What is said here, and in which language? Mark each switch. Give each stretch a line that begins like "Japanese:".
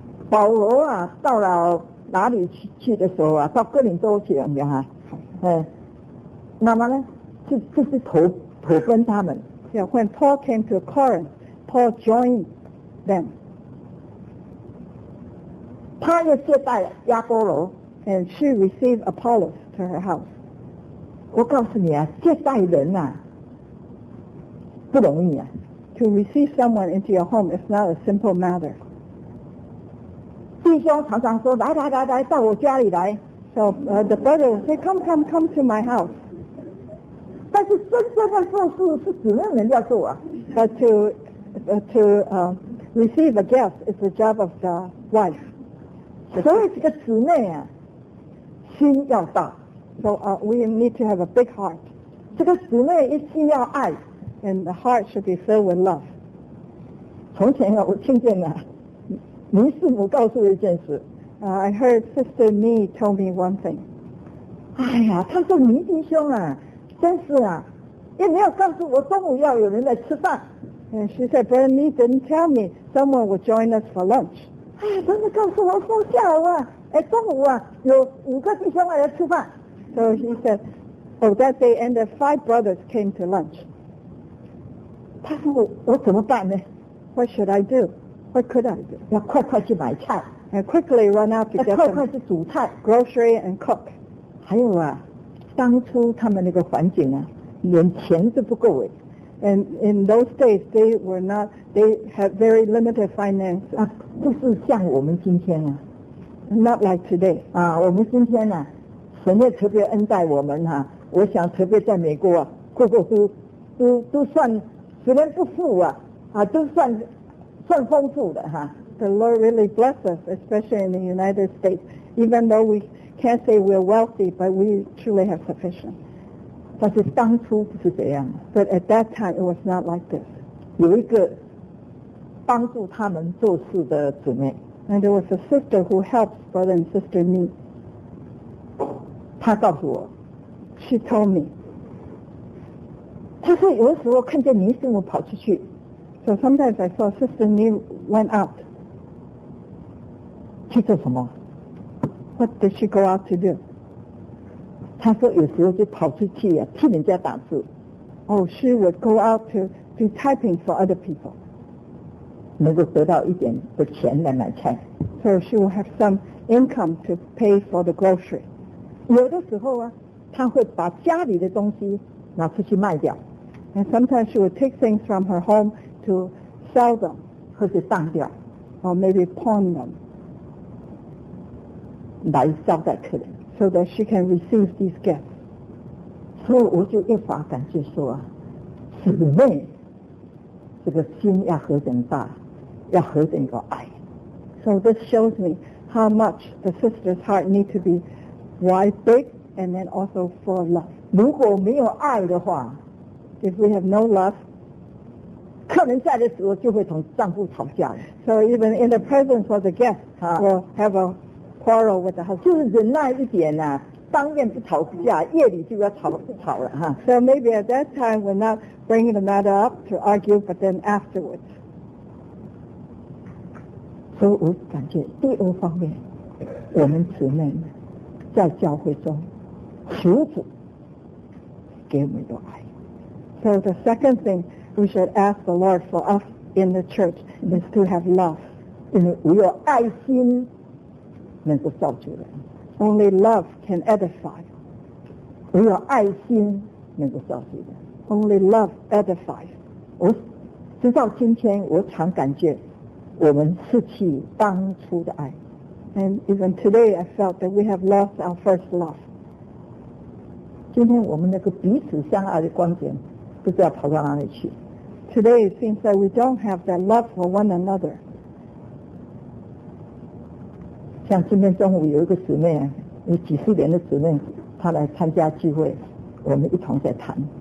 Chinese: 保罗啊，到了哪里去的时候啊，到哥林多去了没有啊？那么呢就是投奔他们。
English: Yeah, when Paul came to Corinth, Paul joined them.
Chinese: 他又接待了亚波罗。
English: And she received Apollos to her house.
Chinese: 我告诉你啊，接待人啊，不容易啊。
English: To receive someone into your home is not a simple matter.
Chinese: 弟兄常常说，来来来来，到我家里来。
English: So the brother would say, come to my house.
Chinese: 但是真正的做事是指那人要做啊。
English: But to receive a gift is the job of the wife.
Chinese: 所以这个姊妹啊，心要大。
English: So we need to have a big heart.
Chinese: 这个姊妹一心要爱。
English: And the heart should be filled with love.
Chinese: 从前啊，我听见了林师母告诉一件事。
English: I heard Sister Mee told me one thing.
Chinese: 哎呀，她说林弟兄啊，真是啊，也没有告诉我中午要有人来吃饭。
English: And she said, Brother Mee didn't tell me someone would join us for lunch.
Chinese: 哎呀，真的告诉我说下午啊，哎，中午啊，有五个弟兄来吃饭。
English: So he said, oh, that day ended, five brothers came to lunch.
Chinese: 她说我怎么办呢？
English: What should I do? What could I do?
Chinese: 要快快去买菜。
English: And quickly run out to get some
Chinese: 快快去煮菜
English: grocery and cook.
Chinese: 还有啊，当初他们那个环境啊，连钱都不够哎。
English: And in those days, they had very limited finances.
Chinese: 啊，不是像我们今天啊。
English: Not like today.
Chinese: 啊，我们今天呢、啊，神也特别恩待我们哈、啊。我想特别在美国啊，过都算，虽然不富啊，啊都算丰富的哈。啊
English: The Lord really blessed us, especially in the United States. Even though we can't say we're wealthy, but we truly have sufficient.
Chinese: 但是当初不是这样。
English: But at that time, it was not like this.
Chinese: 有一个帮助他们做事的姊妹。
English: And there was a sister who helped brother and sister me.
Chinese: 她告诉我。
English: She told me.
Chinese: 她说有的时候看见倪师母跑出去。
English: So sometimes I saw sister me went out.
Chinese: 去做什么
English: ？What did she go out to do?
Chinese: 她说有时候就跑出去呀、啊，替人家打字。
English: Oh, she would go out to do typing for other people.
Chinese: 能够得到一点的钱来买菜。
English: So she would have some income to pay for the grocery.
Chinese: 有的时候啊，她会把家里的东西拿出去卖掉。
English: And sometimes she would take things from her home to sell them,
Chinese: 或是当掉
English: ，or maybe pawn them.
Chinese: 来招待客人
English: ，so that she can receive these gifts.
Chinese: 所以我就越发感觉说，姊妹，这个心要何等大，要何等有爱。
English: So this shows me how much the sister's heart need to be wide, big, and then also full of love.
Chinese: 如果没有爱的话
English: ，if we have no love,
Chinese: 客人在的时候就会同丈夫吵架。
English: So even in the presence of the guest, we'll have a quarrel with the husband.
Chinese: 就是忍耐一点啊，当面不吵架，夜里就要吵了哈。
English: So maybe at that time we're not bringing the matter up to argue, but then afterwards.
Chinese: 所以我感觉第二方面，我们姊妹们在教会中求主给我们有爱。
English: So the second thing we should ask the Lord for us in the church is to have love.
Chinese: 因为我有爱心。能够造就人
English: ，Only love can edify.
Chinese: 我有爱心能够造就人
English: ，Only love edifies.
Chinese: 我直到今天，我常感觉我们失去当初的爱
English: ，And even today I felt that we have lost our first love.
Chinese: 今天我们那个彼此相爱的观点不知道跑到哪里去。
English: Today it seems that we don't have that love for one another.
Chinese: 像今天中午有一个姊妹，有几十年的姊妹，她来参加聚会，我们一同在谈。